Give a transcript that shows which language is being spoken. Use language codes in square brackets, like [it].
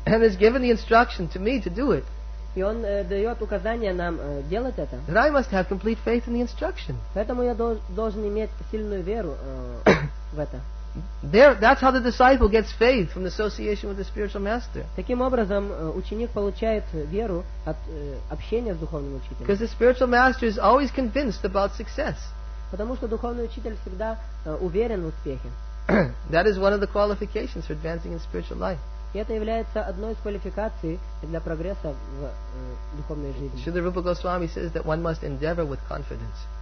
[en] And has given the instruction to me to do it. [ru] И он дает указание нам делать это. [en] That I must have complete faith in the instruction. [ru] Поэтому я должен иметь сильную веру в это. [en] There, that's how the disciple gets faith from the association with the spiritual master. [ru] Таким образом, ученик получает веру от общения с духовным учителем. [en] Because the spiritual master is always convinced about success. [ru] Потому что духовный учитель всегда уверен в успехе. [en] That is one of the qualifications for advancing in spiritual life. [ru] И это является одной из квалификаций для прогресса в духовной жизни. [en] Srila Rupa Goswami says that one must endeavor with confidence.